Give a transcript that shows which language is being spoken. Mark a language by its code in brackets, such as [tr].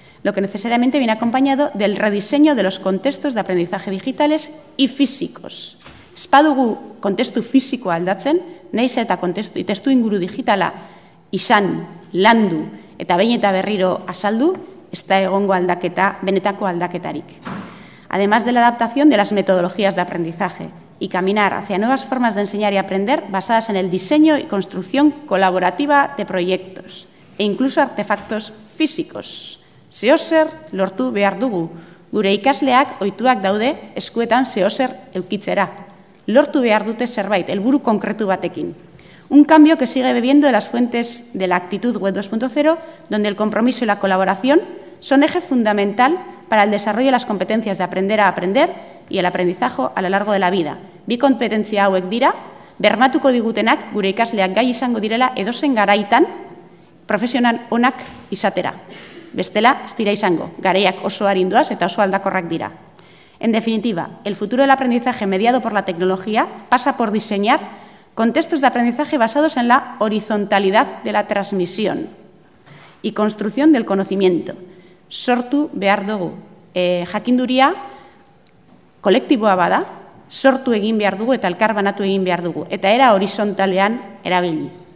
[es] Lo que necesariamente viene acompañado del rediseño de los contextos de aprendizaje digitales y físicos. [eu] Ez badugu kontestu fizikoa aldatzen, nahiz eta kontestu eta testu inguru digitala izan, landu, eta behin eta berriro azaldu, ez da egongo aldaketa, benetako aldaketarik. [es] Además de la adaptación de las metodologías de aprendizaje y caminar hacia nuevas formas de enseñar y aprender basadas en el diseño y construcción colaborativa de proyectos e incluso artefactos físicos. [eu] Zeozer lortu behar dugu, gure ikasleak ohituak daude eskuetan zeozer eukitzera. Lortu behar dute zerbait, helburu konkretu batekin. [es] Un cambio que sigue bebiendo de las fuentes de la actitud web 2.0, donde el compromiso y la colaboración son eje fundamental para el desarrollo de las competencias de aprender a aprender y el aprendizaje a lo largo de la vida. [eu] Bi kompetentzia hauek dira, bermatuko digutenak gure ikasleak gai izango direla edozen garaitan profesional onak izatera. Bestela, ez dira izango, garaiak oso arinduaz eta oso aldakorrak dira. [es] En definitiva, el futuro del aprendizaje mediado por la tecnología pasa por diseñar contextos de aprendizaje basados en la horizontalidad de la transmisión y construcción del conocimiento. [eu] Sortu behar dugu, jakinduria kolektiboa bada, sortu egin behar dugu eta elkar banatu egin behar dugu, eta era horizontalean erabili.